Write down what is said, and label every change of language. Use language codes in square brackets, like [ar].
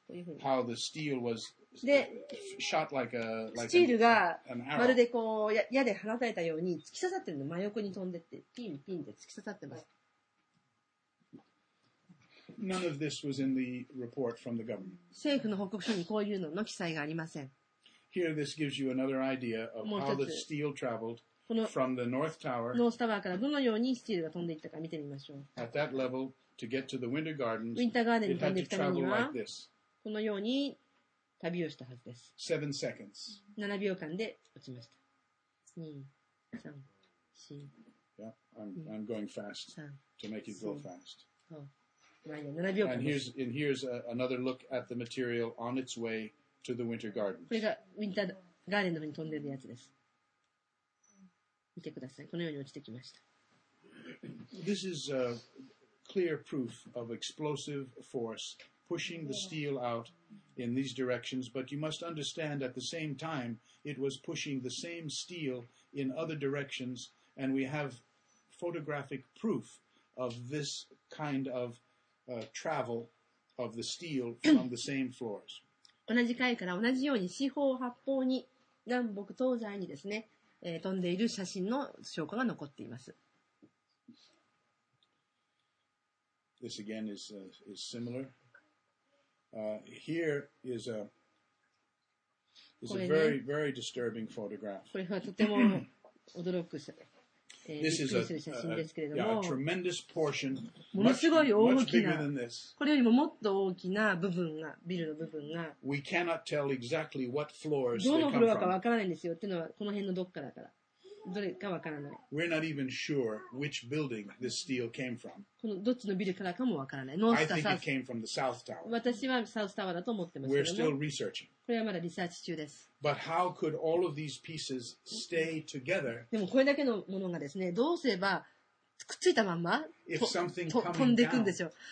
[ja] こういうふうに。 [en] How the steel was shot like a, like [ja] スチールが、まるでこう、矢で放たれたように、突き刺さってるの、真横に飛んでって、ピンピンで突き刺さってます。 [en] None of this was in the report from the government. [ja] 政府の報告書にこういうのの記載がありません。 [en] Here, this gives you another idea of how the steel traveled from the North Tower. [ja] ノースタワーからどのようにスチールが飛んでいったか見てみましょう。 [en] At that level, to get to the Winter Gardens, [ja] ウィンターガーデンに飛んでいくためには、このように旅をしたはずです。 [en] 7 seconds. [ja] 7秒間で落ちました。2、3、4。 [en] Yeah, I'm going fast to make it go fast. And here's another look at the material on its way to the Winter Gardens. [ja] これがウィンターガーデンの方に飛んでるやつです。見てください。このように落ちてきました。 [en] This is clear proof of explosive force pushing the steel out in these directions, but you must understand at the same time it was pushing the same steel in other directions, and we have photographic proof of this kind of travel of the steel from the same floors. [ja] 同じ階から同じように四方八方に南北東西にですね、飛んでいる写真の証拠が残っています。 [en] This again is similar. Here is a very very disturbing photograph. [ja] これはとても驚く写真。 [en] This is a tremendous portion, much bigger than this. [ja] これよりももっと大きな部分が、ビルの部分が。 [en] We cannot tell exactly what floors they come from. [ja] どのフロアかわからないんですよ。っていうのはこの辺のどっかだから。どれかわからない。 [en] We're not even sure which building this steel came from. [ja] このどっちのビルからかもわからない。 [en] North Tower. I think it came from the South Tower. [ja] 私は South Tower だと思ってますけど。 [en] We're still researching. [ja] これはまだリサーチ中です。 [en] But how could all of these pieces stay together? [ja] でもこれだけのものがですね、どうすればくっついたまんま飛んでいくんですよ。